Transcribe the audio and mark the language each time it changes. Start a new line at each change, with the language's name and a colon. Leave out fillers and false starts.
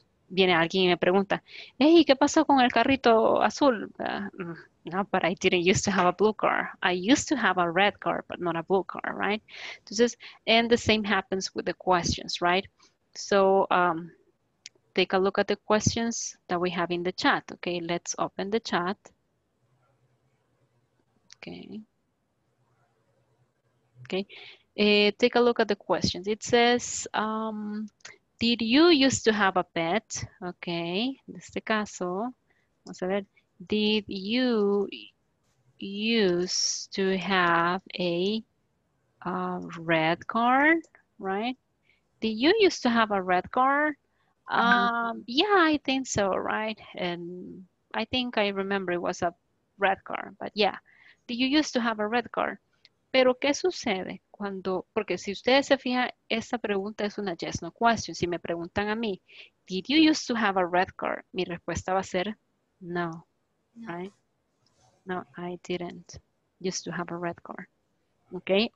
Spanish: Viene alguien y me pregunta, hey, ¿qué pasó con el carrito azul?
English: No, but I didn't used to have a blue car. I used to have a red car, but not a blue car, right?
Spanish: Entonces,
English: and the same happens with the questions, right? So take a look at the questions that we have in the chat, okay? Let's open the chat. Okay. Take a look at the questions. It says, did you used to have a pet? Okay,
Spanish: en este caso, vamos a ver.
English: Did you used to have a red car, right? Did you used to have a red car? Yeah, I think so, right? And I think I remember it was a red car, but yeah. Did you used to have a red car?
Spanish: Pero ¿qué sucede cuando, porque si ustedes se fijan, esta pregunta es una yes no question. Si me preguntan a mí,
English: did you used to have a red car?
Spanish: Mi respuesta va a ser no. No.
English: Right? No, I didn't used to have a red car. Okay?